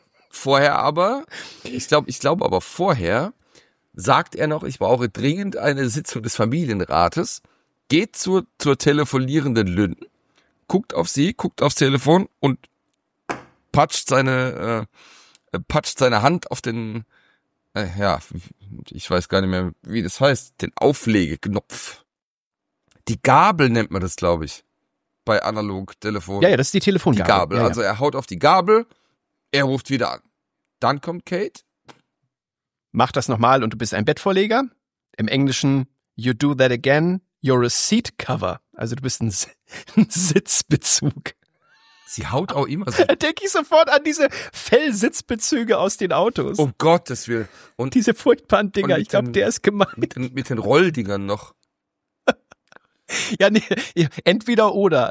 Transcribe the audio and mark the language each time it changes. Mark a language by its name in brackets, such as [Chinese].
[German] Vorher aber, ich glaube aber vorher, sagt er noch, ich brauche dringend eine Sitzung des Familienrates, geht zur telefonierenden Lynn, guckt auf sie, guckt aufs Telefon und patscht seine Hand auf den, ich weiß gar nicht mehr, wie das heißt, den Auflegeknopf. Die Gabel nennt man das, glaube ich, bei Analog-Telefon. Ja, das ist die Telefongabel. Die Gabel, ja, ja. Also er haut auf die Gabel, er ruft wieder an. Dann kommt Kate. Mach das nochmal und du bist ein Bettvorleger. Im Englischen, [English] you do that again, you're a seat cover. [German] Also du bist ein Sitzbezug. Sie haut auch immer so. Da denke ich sofort an diese Fell-Sitzbezüge aus den Autos. Um Gottes Willen. Und diese furchtbaren Dinger, ich glaube, der ist gemeint. Mit den Rolldingern noch. Ja, nee, entweder oder.